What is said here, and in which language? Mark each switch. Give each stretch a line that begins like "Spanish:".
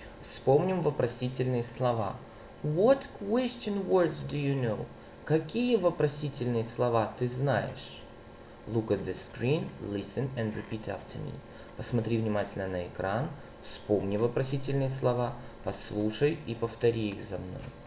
Russian: Вспомним вопросительные слова.
English: What question words do you know?
Russian: Какие вопросительные слова ты знаешь?
English: Look at the screen, listen and repeat after me.
Russian: Посмотри внимательно на экран, вспомни вопросительные слова, послушай и повтори их за мной.